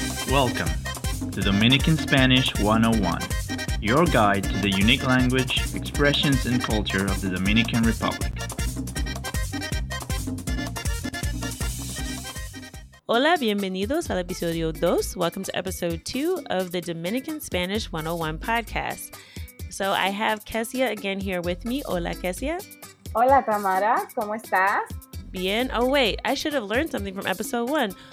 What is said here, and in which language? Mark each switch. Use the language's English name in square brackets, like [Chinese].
[English] Welcome to Dominican Spanish 101, your guide to the unique language, expressions, and culture of the Dominican Republic. [Spanish] Hola, bienvenidos al episodio 2. [English] Welcome to episode 2 of the Dominican Spanish 101 podcast. So I have Kesia again here with me. [Spanish] Hola, Kesia. Hola, Tamara. ¿Cómo estás? [English] Bien. Oh, wait. I should have learned something from episode 1.